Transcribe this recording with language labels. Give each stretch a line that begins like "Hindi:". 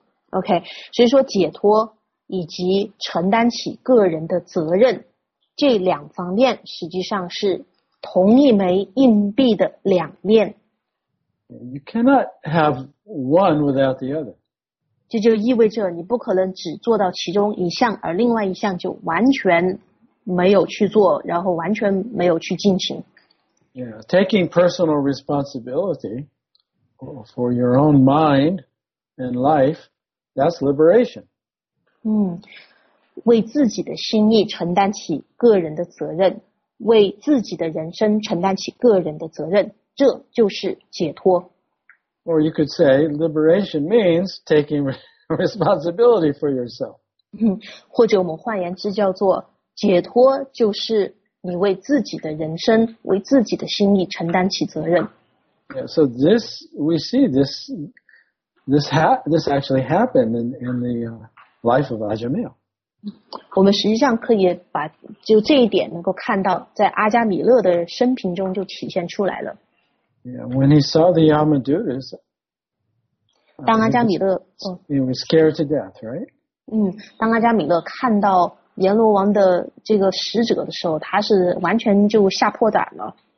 Chinese: OK， 所以说解脱以及承担起个人的责任这两方面实际上是同一枚硬币的两面。
English: You cannot have one without the other.
Chinese: 这就意味着你不可能只做到其中一项，而另外一项就完全没有去做，然后完全没有去进行。
English: Yeah, taking personal responsibility for your own mind and life, that's liberation.
Chinese: 为自己的心意承担起个人的责任，为自己的人生承担起个人的责任，这就是解脱。
English: Or you could say liberation means taking responsibility for yourself.
Chinese: 或者我们换言之叫做解脱就是你为自己的人生，为自己的心意承担起责任。
English: Yeah, so this actually happened in the life of Ajamil.
Chinese: 我们实际上可以把就这一点能够看到在阿加米勒的生平中就体现出来了。
English: Yeah, when he saw the Yamadutas,
Chinese: 当阿加米勒
English: he was scared to death, right?
Chinese: 当阿加米勒看到阎罗王的这个使者的时候，他是完全就吓破胆了。